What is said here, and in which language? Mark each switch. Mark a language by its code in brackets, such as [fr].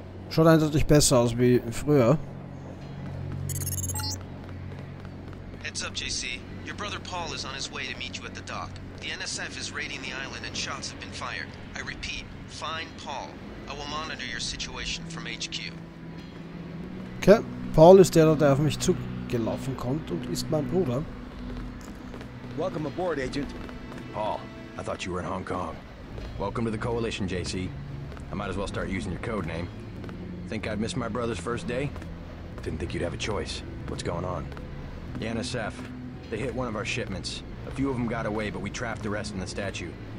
[de] Schaut eindeutig besser aus wie früher. [en] Heads up, JC. Your brother Paul is on his way to meet you at the dock. The NSF is raiding the island and shots have been fired. I repeat, find Paul. I will monitor your situation from HQ. [de] Okay, Paul ist der auf mich zugelaufen kommt und ist mein Bruder. [en] Welcome aboard, Agent. Paul, I thought you were in Hong Kong. Welcome to the Coalition, JC. I might as well start using your code name. Think I'd miss my brother's first day? Didn't think you'd have a choice. What's going on? The NSF. They hit one of our shipments. A few of them got away, but we trapped the rest in the statue.